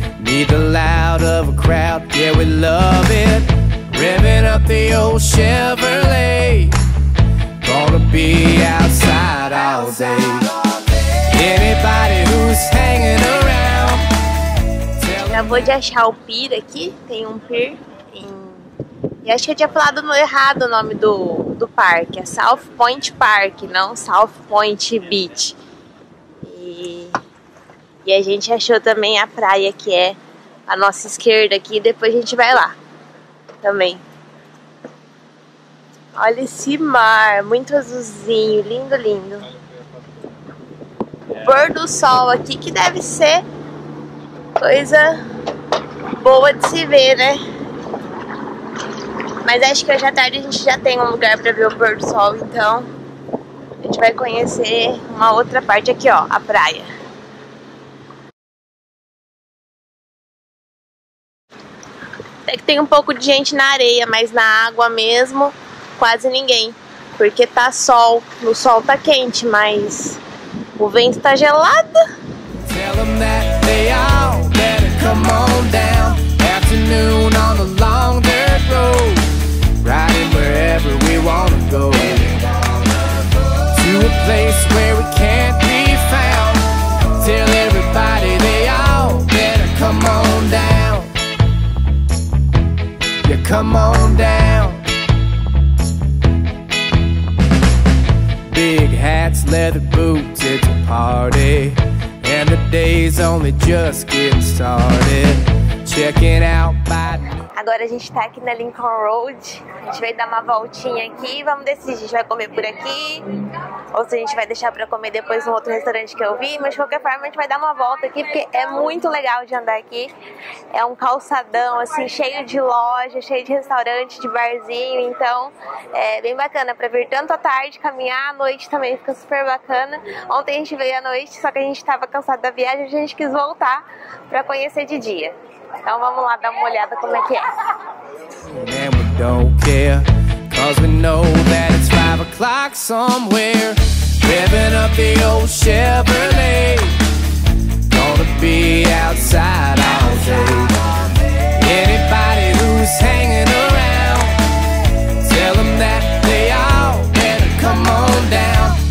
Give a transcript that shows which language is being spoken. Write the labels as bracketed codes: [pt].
[en] Need the loud of a crowd, yeah, we love it. Revving up the old Chevrolet. Gonna be outside all day. Anybody who's hanging around. [pt] Acabou de achar o pier aqui. Tem um pier. E acho que eu tinha falado errado o nome do parque. É South Point Park, não South Point Beach. E a gente achou também a praia que é a nossa esquerda aqui. Depois a gente vai lá também. Olha esse mar, muito azulzinho, lindo, lindo. O pôr do sol aqui, que deve ser coisa boa de se ver, né? Mas acho que hoje à tarde a gente já tem um lugar para ver o pôr do sol, então a gente vai conhecer uma outra parte aqui, ó, a praia. Até que tem um pouco de gente na areia, mas na água mesmo quase ninguém, porque tá sol, o sol tá quente, mas o vento tá gelado. [en] Tell them that they all better come on down. Afternoon on the long dirt road. Riding wherever we wanna go. To a place where we can't be found. Tell everybody they all better come on down. Yeah, come on down. Big hats, leather boots, it's a party. And the day's only just getting started. Checking out by. [pt] Agora a gente tá aqui na Lincoln Road. A gente veio dar uma voltinha aqui. Vamos decidir se a gente vai comer por aqui ou se a gente vai deixar pra comer depois no outro restaurante que eu vi. Mas de qualquer forma, a gente vai dar uma volta aqui porque é muito legal de andar aqui. É um calçadão assim, cheio de loja, cheio de restaurante, de barzinho. Então é bem bacana pra vir tanto à tarde, caminhar à noite também fica super bacana. Ontem a gente veio à noite, só que a gente tava cansado da viagem. A gente quis voltar pra conhecer de dia. Então vamos lá dar uma olhada como é que é. [en] And we don't care, cause we know that it's 5 o'clock somewhere. revving up the old Chevrolet. Gonna be outside all day. Anybody who's hanging around, tell them that they all better come on down.